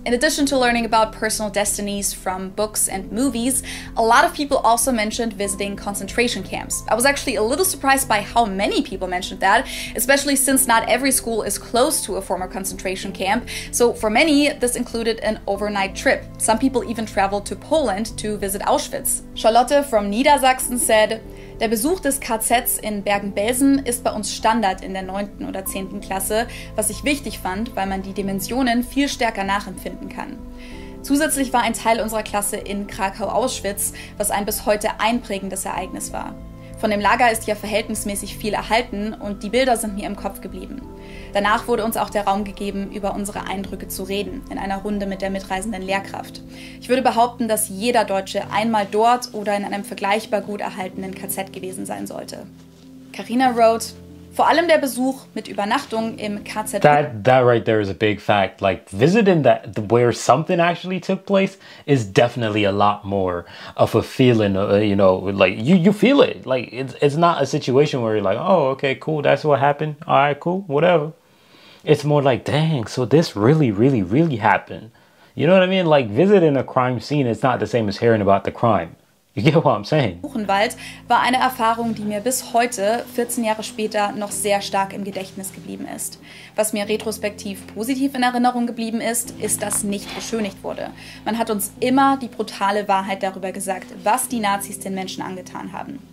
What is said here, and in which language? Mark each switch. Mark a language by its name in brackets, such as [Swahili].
[English] In addition to learning about personal destinies from books and movies, a lot of people also mentioned visiting concentration camps. I was actually a little surprised by how many people mentioned that, especially since not every school is close to a former concentration camp. So for many, this included an overnight trip. Some people even traveled to Poland to visit Auschwitz. Charlotte from Niedersachsen said, [German] der Besuch des KZs in Bergen-Belsen ist bei uns Standard in der 9. oder 10. Klasse, was ich wichtig fand, weil man die Dimensionen viel stärker nachempfinden kann. Zusätzlich war ein Teil unserer Klasse in Krakau-Auschwitz, was ein bis heute einprägendes Ereignis war. Von dem Lager ist ja verhältnismäßig viel erhalten und die Bilder sind mir im Kopf geblieben. Danach wurde uns auch der Raum gegeben, über unsere Eindrücke zu reden, in einer Runde mit der mitreisenden Lehrkraft. Ich würde behaupten, dass jeder Deutsche einmal dort oder in einem vergleichbar gut erhaltenen KZ gewesen sein sollte. [English] Carina wrote, [German] Vor allem der Besuch mit Übernachtung im KZ. [English] That right there is a big fact. Like, visiting that where something actually took place is definitely a lot more of a feeling, you know, like, you feel it. Like, it's not a situation where you're like, oh, okay, cool, that's what happened. All right, cool, whatever. It's more like, dang, so this really, really, really happened. You know what I mean? Like, visiting a crime scene is not the same as hearing about the crime. You get what I'm saying? [German] Buchenwald war eine Erfahrung, die mir bis heute, 14 Jahre später, noch sehr stark im Gedächtnis geblieben ist. Was mir retrospektiv positiv in Erinnerung geblieben ist, ist, dass nicht beschönigt wurde. Man hat uns immer die brutale Wahrheit darüber gesagt, was die Nazis den Menschen angetan haben.